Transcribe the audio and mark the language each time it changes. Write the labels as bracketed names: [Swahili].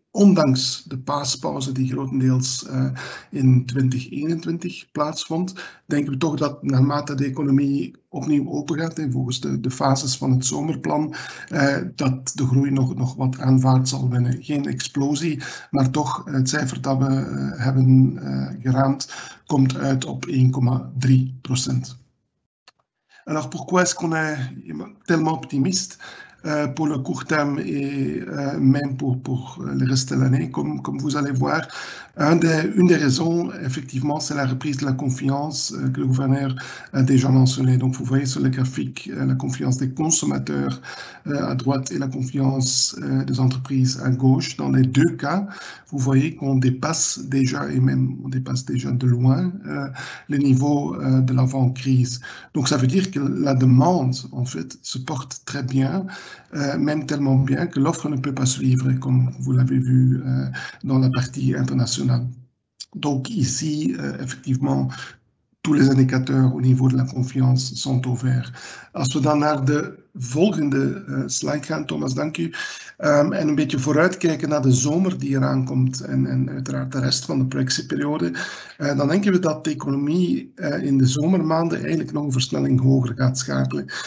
[Dutch] Ondanks de paaspauze die grotendeels in 2021 plaatsvond, denken we toch dat naarmate de economie opnieuw open gaat en volgens de fases van het zomerplan, dat de groei nog wat aanvaard zal winnen. Geen explosie, maar toch het cijfer dat we hebben geraamd komt uit op 1,3%. [French] Alors, pourquoi est-ce qu'on est tellement optimiste? Pour le court terme et même pour le reste de l'année, comme vous allez voir. Une des raisons, effectivement, c'est la reprise de la confiance que le gouverneur a déjà mentionné. Donc, vous voyez sur le graphique la confiance des consommateurs à droite et la confiance des entreprises à gauche. Dans les deux cas, vous voyez qu'on dépasse déjà, et même on dépasse déjà de loin, le niveau de l'avant-crise. Donc, ça veut dire que la demande, en fait, se porte très bien. Même tellement bien que l'offre ne peut pas suivre, comme vous l'avez vu dans la partie internationale. Donc ici, effectivement, tous les indicateurs au niveau de la confiance sont au vert. [Dutch] Als we dan naar de volgende slide gaan, Thomas, dank u. En een beetje vooruitkijken naar de zomer die eraan komt en uiteraard de rest van de projectieperiode, dan denken we dat de economie in de zomermaanden eigenlijk nog een versnelling hoger gaat schakelen.